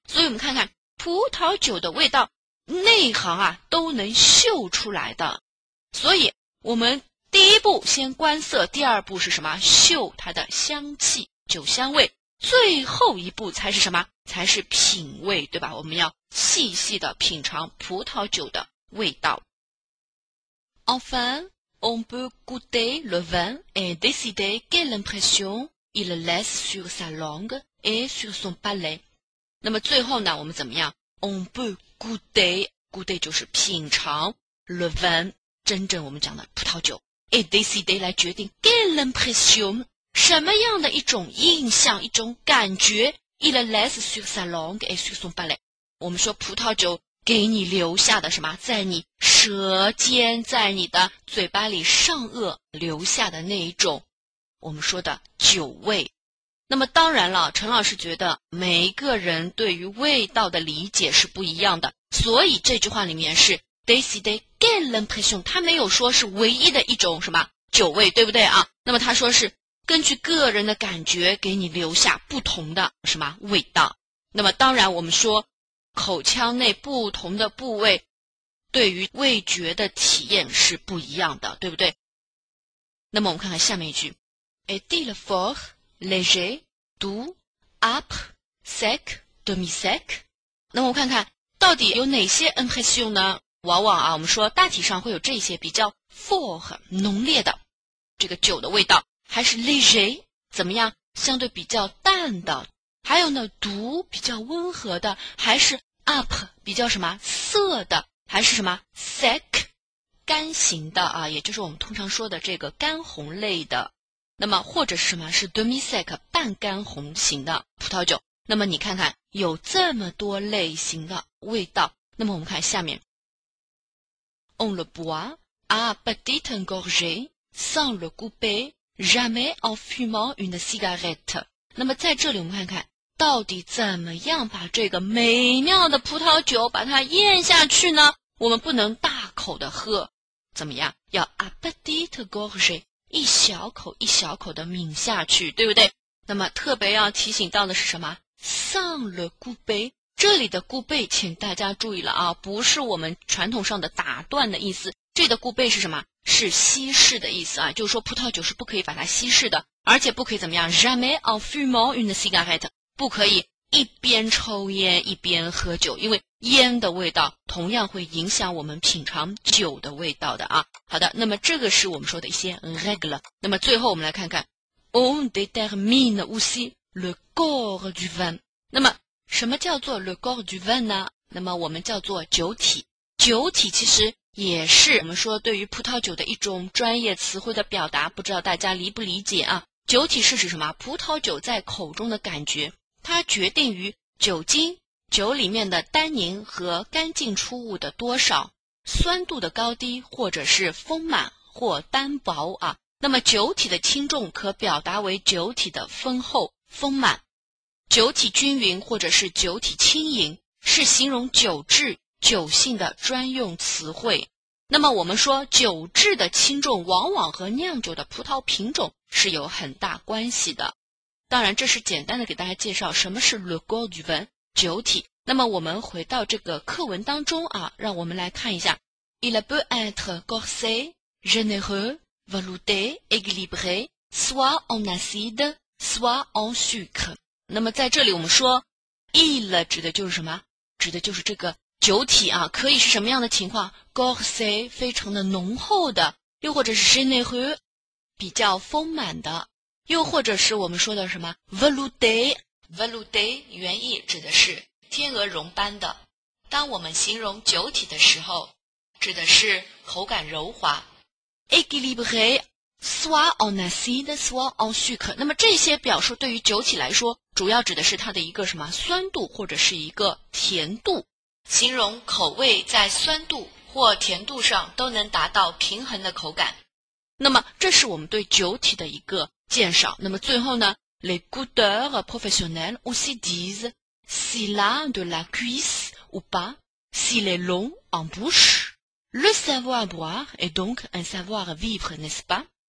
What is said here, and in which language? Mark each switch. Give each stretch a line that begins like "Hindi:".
Chinese: 所以我们看看葡萄酒的味道内行啊都能嗅出来的。所以我们第一步先观色，第二步是什么？嗅它的香气，酒香味，最后一步才是什么？才是品味，对吧？我们要细细的品尝葡萄酒的味道。
French: Enfin, on peut goûter le vin et décider quelle impression il laisse sur sa langue et sur son palais.
Chinese: 那么最后呢，我们怎么样？
French: On peut goûter, goûter
Chinese: 就是品尝
French: le vin,
Chinese: 真正我们讲的葡萄酒，
French: et décider
Chinese: 来决定
French: quelle impression,
Chinese: 什么样的一种印象，一种感觉？
French: Il laisse sur sa langue et sur son palais。
Chinese: 我们说葡萄酒给你留下的什么？在你舌尖，在你的嘴巴里上颚留下的那一种我们说的酒味。那么当然了，陈老师觉得每一个人对于味道的理解是不一样的，所以这句话里面是
French: décider quelle impression，
Chinese: 他没有说是唯一的一种什么酒味，对不对啊？那么他说是根据个人的感觉给你留下不同的什么味道。那么当然我们说口腔内不同的部位对于味觉的体验是不一样的，对不对？那么我们看看下面一句，
French: Et d'il fort, léger, doux, âpre, sec, demi-sec。
Chinese: 那么我看看到底有哪些 impression 呢？往往啊，我们说大体上会有这些比较 fort 浓烈的这个酒的味道，还是 léger 怎么样相对比较淡的，还有呢毒比较温和的，还是 up 比较什么涩的。还是什么 thick 干型的啊，也就是我们通常说的这个干红类的，那么或者是什么是 demi sec 半干红型的葡萄酒。那么你看看有这么多类型的味道，那么我们看下面
French: on le boit à petite gorgée sans le couper jamais en fumant une cigarette。
Chinese: 那么在这里我们看看到底怎么样把这个美妙的葡萄酒把它咽下去呢？我们不能大口的喝，怎么样？要
French: à petite gorgée，
Chinese: 一小口一小口的抿下去，对不对？那么特别要提醒到的是什么？上了固杯，这里的固杯请大家注意了啊，不是我们传统上的打断的意思，这里的固杯是什么？是稀释的意思啊，就是说葡萄酒是不可以把它稀释的，而且不可以怎么样
French: jamais en fumant une cigarette，
Chinese: 不可以一边抽烟一边喝酒，因为烟的味道同样会影响我们品尝酒的味道的啊。好的，那么这个是我们说的一些 règle。那么最后我们来看看
French: on détermine aussiLe corps du vin。
Chinese: 那么什么叫做
French: le corps du vin
Chinese: 呢？那么我们叫做酒体，酒体其实也是我们说对于葡萄酒的一种专业词汇的表达，不知道大家理不理解啊。酒体是指什么？葡萄酒在口中的感觉，它决定于酒精、酒里面的单宁和干净出物的多少，酸度的高低，或者是丰满或单薄啊。那么酒体的轻重可表达为酒体的丰厚丰满，酒体均匀或者是酒体轻盈，是形容酒质酒性的专用词汇。那么我们说酒质的轻重往往和酿酒的葡萄品种是有很大关系的。当然这是简单的给大家介绍什么是
French: le corps du vin
Chinese: 酒体。那么我们回到这个课文当中啊，让我们来看一下
French: il peut être gorsé généreux velouté équilibré soit en acide soit en sucre。
Chinese: 那么在这里我们说 il 指的就是什么？指的就是这个酒体啊，可以是什么样的情况？ gorsé 非常的浓厚的，又或者是 généreux 比较丰满的，又或者是我们说的什么 velouté。 velouté 原意指的是天鹅绒般的，当我们形容酒体的时候指的是口感柔滑。
French: équilibréSoit en acide, soit en sucre。
Chinese: 那么这些表述对于酒体来说主要指的是它的一个什么酸度或者是一个甜度，形容口味在酸度或甜度上都能达到平衡的口感。那么这是我们对酒体的一个介绍。那么最后呢，
French: les goûteurs professionnels aussi disent s'il a de la cuisse ou pas, s'il est long en bouche. Le savoir boire est donc un savoir vivre, n'est-ce pas?